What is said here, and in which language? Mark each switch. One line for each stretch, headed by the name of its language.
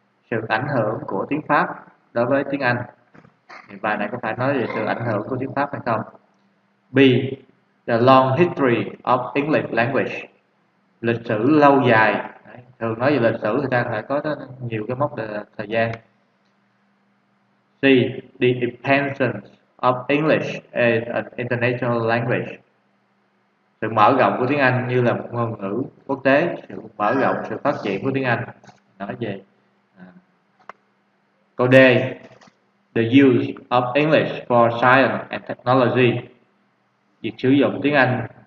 Vietnamese: Sự ảnh hưởng của tiếng Pháp đối với tiếng Anh. Bài này có phải nói về sự ảnh hưởng của tiếng Pháp hay không? B.
English: The long history of English language.
Vietnamese: Lịch sử lâu dài. Thường nói về lịch sử thì đang phải có rất nhiều cái mốc thời gian.
English: C. The expansion of English as an international language.
Vietnamese: Sự mở rộng của tiếng Anh như là một ngôn ngữ quốc tế. Sự mở rộng, sự phát triển của tiếng Anh. Nói về câu D.
English: The use of English for science and technology.
Vietnamese: Việc sử dụng tiếng Anh